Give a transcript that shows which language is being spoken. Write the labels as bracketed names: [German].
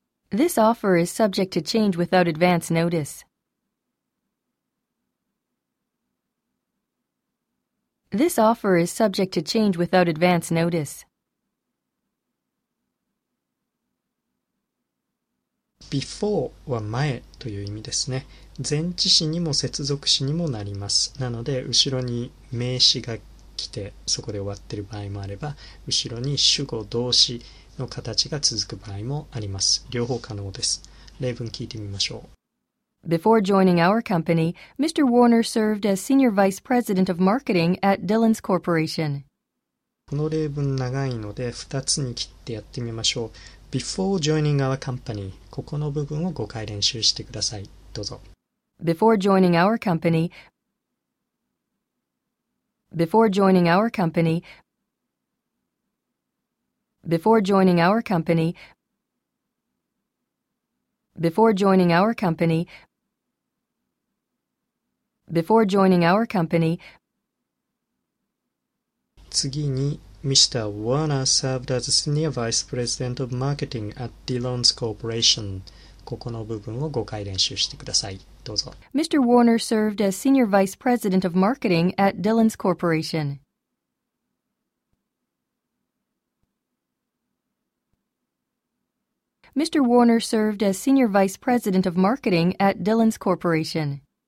[English] This offer is subject to change without advance notice. This offer is subject to change without advance notice. [Japanese] Before は前という意味ですね。前置詞にも接続詞にもなります。なので後ろに名詞が来てそこで終わってる場合もあれば、後ろに主語動詞の形が続く場合もあります。両方可能です。例文聞いてみましょう。 [English] Before joining our company, Mr. Warner served as Senior Vice President of Marketing at Dillon's Corporation. [Japanese] この例文長いので2つに切ってやってみましょう。 [English] Before joining our company、 [Japanese] ここの部分を5回練習してください。どうぞ。 [English] Before joining our company、Before joining our company, before joining our company, before joining our company, before joining our company. [Japanese] 次に、 [English] Mr. Warner served as Senior Vice President of Marketing at Dillon's Corporation. [Japanese] ここの部分を5回練習してください。どうぞ。 [English] Mr. Warner served as Senior Vice President of Marketing at Dillon's Corporation. Mr. Warner served as Senior Vice President of Marketing at Dillon's Corporation.